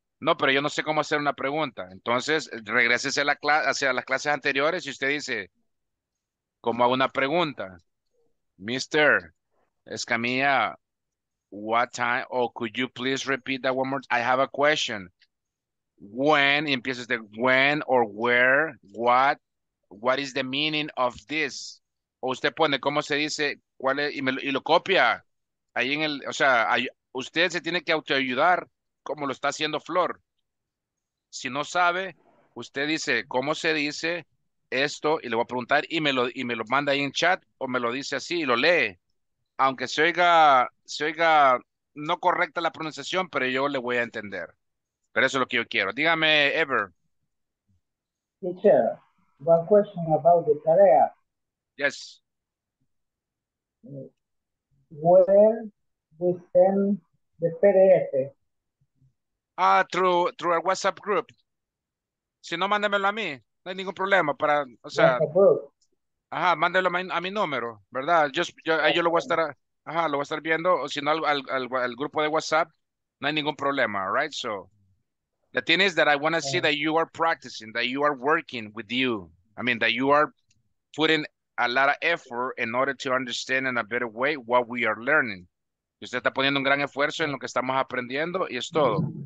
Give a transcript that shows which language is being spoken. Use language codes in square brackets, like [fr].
[es] No, pero yo no sé cómo hacer una pregunta. Entonces, regrésese hacia las clases anteriores y usted dice, ¿cómo hago una pregunta? [en] Mr. Escamilla, what time, or could you please repeat that one more time? I have a question. When, [es] y empieza usted, [en] when or where, what is the meaning of this? [es] O usted pone, ¿cómo se dice? ¿Cuál es? Y lo copia. Ahí en el, o sea, usted se tiene que autoayudar como lo está haciendo Flor. Si no sabe, usted dice, ¿cómo se dice esto? Y le voy a preguntar y me lo manda ahí en chat o me lo dice así y lo lee. Aunque se oiga no correcta la pronunciación, pero yo le voy a entender. Pero eso es lo que yo quiero. Dígame, Ever. [en] Teacher, one question about the tarea. Yes. Where we send the PDF? Through our WhatsApp group. [es] Si no, mándemelo a mí. No hay ningún problema para, o sea. Ajá, mándelo a mi número, ¿verdad? Yo lo voy a estar, lo voy a estar viendo, o si no, al grupo de WhatsApp, no hay ningún problema, right? [en] So, the thing is that I want to see that you are practicing, that you are working with you. I mean, that you are putting a lot of effort in order to understand in a better way what we are learning. [es] Y usted está poniendo un gran esfuerzo en lo que estamos aprendiendo y es todo.